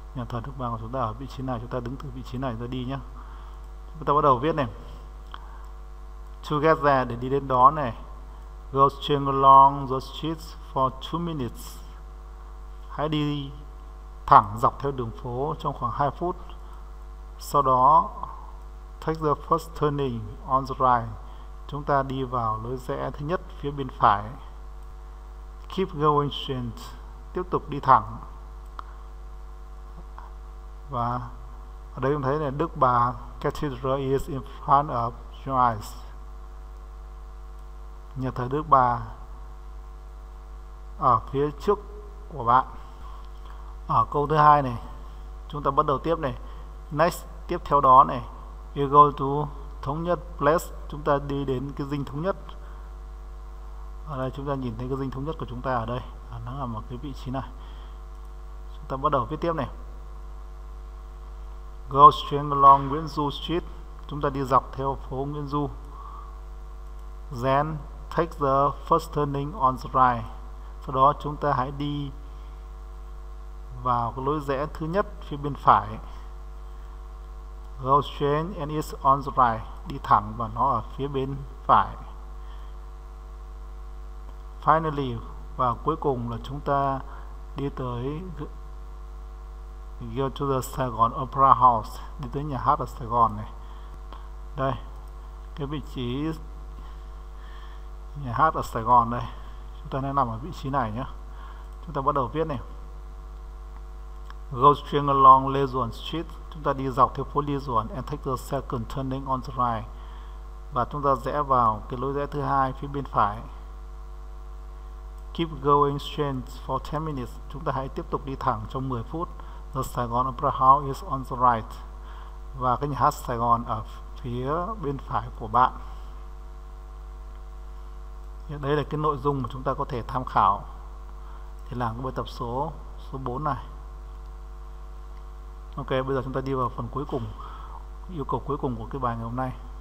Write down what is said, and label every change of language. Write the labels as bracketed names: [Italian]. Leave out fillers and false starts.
[Vietnamese] Nhà thờ Đức Bà của chúng ta ở vị trí này. Chúng ta đứng từ vị trí này ra đi nhé. Chúng ta bắt đầu viết này. [English] To get there, [Vietnamese] để đi đến đó này. [English] Go straight along the street for 2 minutes. [Vietnamese] Hãy đi thẳng dọc theo đường phố trong khoảng 2 phút. Sau đó, [English] take the first turning on the right. [Vietnamese] Chúng ta đi vào lối rẽ thứ nhất phía bên phải. [English] Keep going straight. [Vietnamese] Tiếp tục đi thẳng. Và ở đây chúng thấy này, [English] Đức Bà Cathedral is in front of your eyes. [Vietnamese] Nhà thờ Đức Bà ở phía trước của bạn. Ở câu thứ hai này, chúng ta bắt đầu tiếp này. [English] Next, [Vietnamese] tiếp theo đó này, [English] you go to Thống Nhất Place. [Vietnamese] Chúng ta đi đến cái dinh Thống Nhất. Ở đây chúng ta nhìn thấy cái dinh Thống Nhất của chúng ta ở đây. Nó là một cái vị trí này. Chúng ta bắt đầu viết tiếp này. [English] Go straight along Nguyễn Du Street. [Vietnamese] Chúng ta đi dọc theo phố Nguyễn Du. [English] Then take the first turning on the right. [Vietnamese] Sau đó chúng ta hãy đi vào cái lối rẽ thứ nhất phía bên phải. [English] Go straight and it's on the right. [Vietnamese] Đi thẳng và nó ở phía bên phải. [English] Finally, [Vietnamese] và cuối cùng là chúng ta đi tới, [English] go to the Saigon Opera House, [Vietnamese] đi tới nhà hát ở Sài Gòn này. Đây, cái vị trí nhà hát ở Sài Gòn đây. Chúng ta đang nằm ở vị trí này nhé. Chúng ta bắt đầu viết này. [English] Go straight along Lê Duẩn Street. [Vietnamese] Chúng ta đi dọc theo phố Lê Duẩn [English] and take the second turning on the right. [Vietnamese] Và chúng ta rẽ vào cái lối rẽ thứ hai phía bên phải. [English] Keep going straight for 10 minutes. [Vietnamese] Chúng ta hãy tiếp tục đi thẳng trong 10 phút. [English] The Saigon Opera House is on the right. [Vietnamese] Và cái nhà hát Sài Gòn ở phía bên phải của bạn. Đây là cái nội dung mà chúng ta có thể tham khảo để làm cái bài tập số 4 này. Ok, bây giờ chúng ta đi vào phần cuối cùng, yêu cầu cuối cùng của cái bài ngày hôm nay.